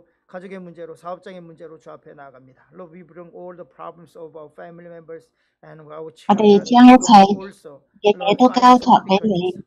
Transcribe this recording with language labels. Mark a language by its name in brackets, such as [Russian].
[Korean] 또가족의문제로사업장의문제로주앞에나아갑니다. [English] Lord, we bring all the problems of our family members and our children. [Cantonese] 我哋将一切嘅嘢都交托俾你。